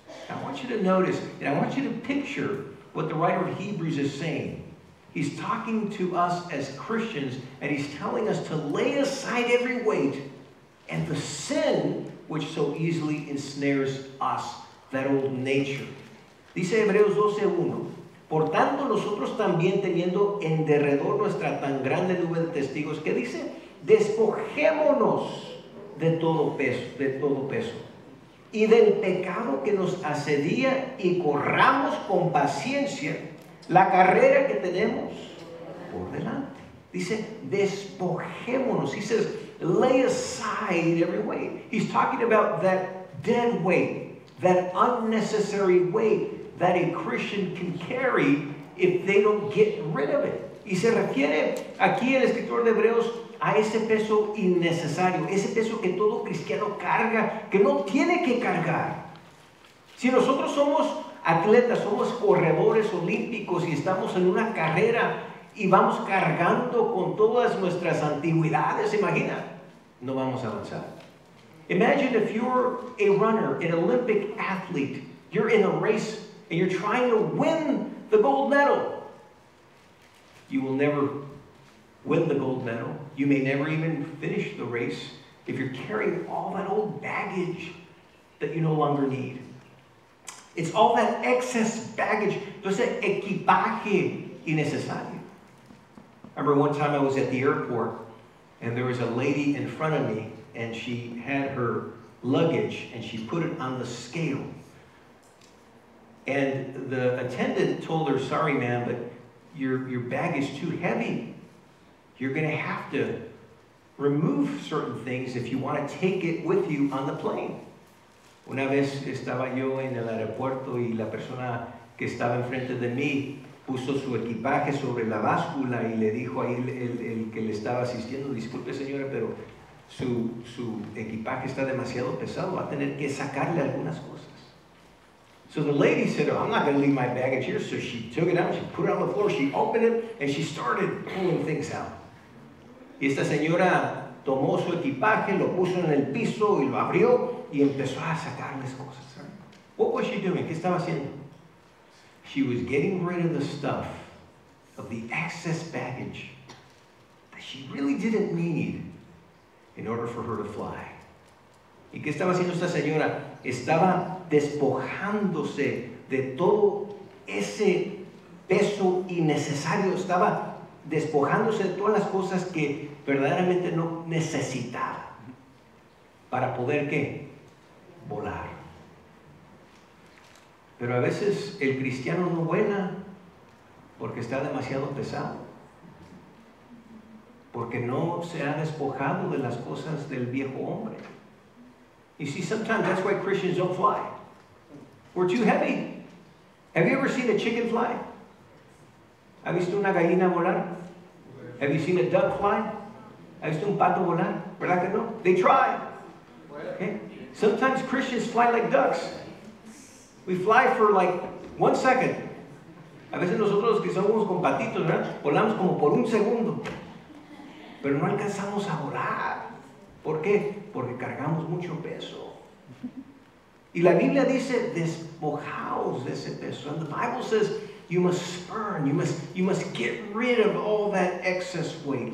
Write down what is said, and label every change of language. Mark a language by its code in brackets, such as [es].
[en] I want you to notice, and I want you to picture what the writer of Hebrews is saying. He's talking to us as Christians, and he's telling us to lay aside every weight and the sin which so easily ensnares us, that old nature. [es] Dice Hebreos 12:1, "Por tanto, nosotros también teniendo en derredor nuestra tan grande nube de testigos," que dice, "despojémonos de todo peso, y del pecado que nos asedía, y corramos con paciencia la carrera que tenemos por delante." Dice, despojémonos. [en] He says, lay aside every weight. He's talking about that dead weight, that unnecessary weight that a Christian can carry if they don't get rid of it. [es] Y se refiere aquí el escritor de Hebreos a ese peso innecesario, ese peso que todo cristiano carga, que no tiene que cargar. Si nosotros somos atletas, somos corredores olímpicos y estamos en una carrera y vamos cargando con todas nuestras antigüedades, imagina, no vamos a avanzar. [en] Imagine if you're a runner, an Olympic athlete, you're in a race and you're trying to win the gold medal. You will never win the gold medal. You may never even finish the race if you're carrying all that old baggage that you no longer need. It's all that excess baggage, [es] todo ese equipaje innecesario. [en] I remember one time I was at the airport and there was a lady in front of me and she had her luggage and she put it on the scale. And the attendant told her, "Sorry, ma'am, but your bag is too heavy. You're going to have to remove certain things if you want to take it with you on the plane." [es] Una vez estaba yo en el aeropuerto y la persona que estaba enfrente de mí puso su equipaje sobre la báscula y le dijo ahí el que le estaba asistiendo, "Disculpe, señora, pero su equipaje está demasiado pesado. Va a tener que sacarle algunas cosas." [en] So the lady said, "Oh, I'm not going to leave my baggage here." So she took it out, she put it on the floor, she opened it, and she started pulling things out. [es] Y esta señora tomó su equipaje, lo puso en el piso y lo abrió y empezó a sacarles cosas. [en] What was she doing? [es] ¿Qué estaba haciendo? [en] She was getting rid of the stuff, of the excess baggage that she really didn't need in order for her to fly. [es] ¿Y qué estaba haciendo esta señora? Estaba despojándose de todo ese peso innecesario. Estaba despojándose de todas las cosas que verdaderamente no necesitaba para poder, ¿qué? Volar. Pero a veces el cristiano no vuela porque está demasiado pesado, porque no se ha despojado de las cosas del viejo hombre. [en] You see, sometimes that's why Christians don't fly. We're too heavy. Have you ever seen a chicken fly? [es] ¿Ha visto una gallina volar? [en] Have you seen a duck fly? [es] ¿Ha visto un pato volar? ¿Verdad que no? [en] They try. Okay? Sometimes Christians fly like ducks. We fly for like 1 second. [es] A veces nosotros que somos con patitos, ¿verdad? Volamos como por un segundo. Pero no alcanzamos a volar. ¿Por qué? Porque cargamos mucho peso. Y la Biblia dice, despojaos de ese peso. [en] And the Bible says, you must spurn, you must get rid of all that excess weight.